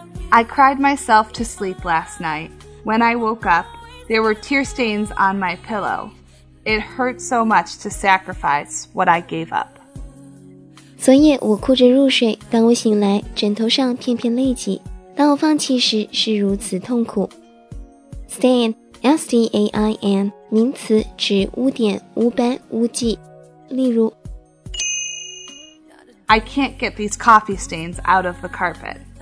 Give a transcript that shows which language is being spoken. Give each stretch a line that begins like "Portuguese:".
English: I cried myself to sleep last night. When I woke up, there were tear stains on my pillow. It hurt so much to sacrifice what I gave up.
Chinese: 昨夜我哭着入睡，当我醒来，枕头上片片泪迹。当我放弃时，是如此痛苦。Stain, S-T-A-I-N, 名词，指污点、污斑、污迹。例如
English: I can't get these coffee stains out of the carpet.